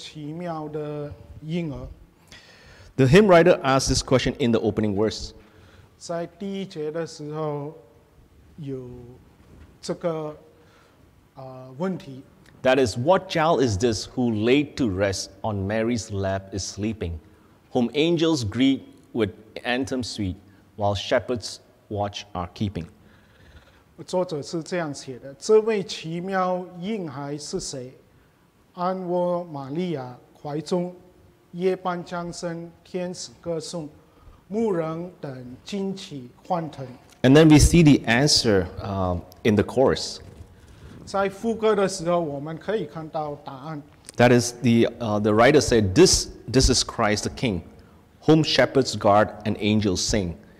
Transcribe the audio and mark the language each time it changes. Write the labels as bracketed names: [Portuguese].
[Chinese] 我们都知道有一首歌是这奇妙的婴儿. [English] The hymn writer asks this question in the opening verse. [Chinese] 在第一节的时候有这个问题. [English] That is, what child is this who laid to rest on Mary's lap is sleeping, whom angels greet with anthem sweet, while shepherds watch are keeping? [Chinese] 作者是这样写的：这位奇妙婴孩是谁？安卧玛利亚怀中，夜半将身，天使歌颂，牧人等惊奇欢腾。 [English] And then we see the answer in the chorus. [Chinese] 在副歌的时候，我们可以看到答案。 [English] That is the writer said, this is Christ the King, whom shepherds guard and angels sing.